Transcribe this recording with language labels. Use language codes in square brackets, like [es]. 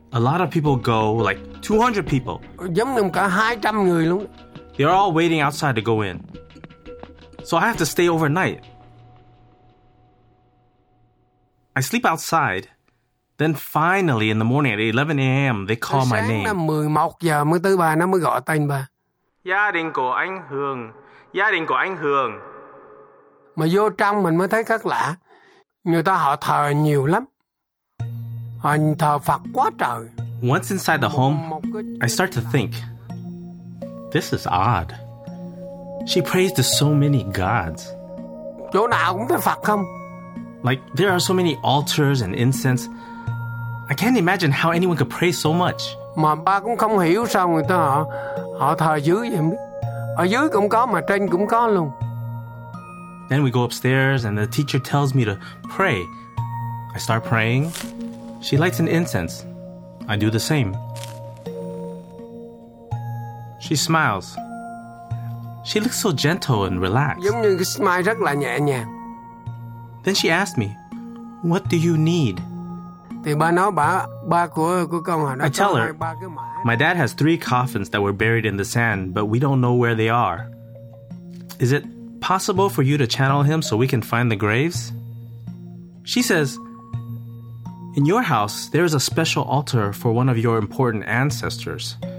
[en] A lot of people go, like 200 people. They're all waiting outside to go in. So I have to stay overnight. I sleep outside. Then finally, in the morning at 11 a.m., they call my name. [vi] Gia đình của anh Hường. Gia đình của anh Hường. Mà vô trong mình mới thấy khác lạ. Người ta họ thờ nhiều lắm. Họ thờ Phật quá trời. [en] Once inside the home, I start to think, this is odd. She prays to so many gods. [vi] Chỗ nào cũng thấy Phật không? [en] Like, there are so many altars and incense. I can't imagine how anyone could pray so much. [vi] Mà ba cũng không hiểu sao người ta họ... Họ thờ dưới vậy. Ở dưới cũng có mà trên cũng có luôn. [en] Then we go upstairs and the teacher tells me to pray. I start praying. She lights an incense. I do the same. She smiles. She looks so gentle and relaxed. [vi] Giống như cái smile rất là nhẹ nhàng. [en] Then she asked me, what do you need? [vi] Thì ba nói ba của con hồi đó. [en] I tell her, my dad has three coffins that were buried in the sand, but we don't know where they are. Is it possible for you to channel him so we can find the graves? She says, in your house, there is a special altar for one of your important ancestors.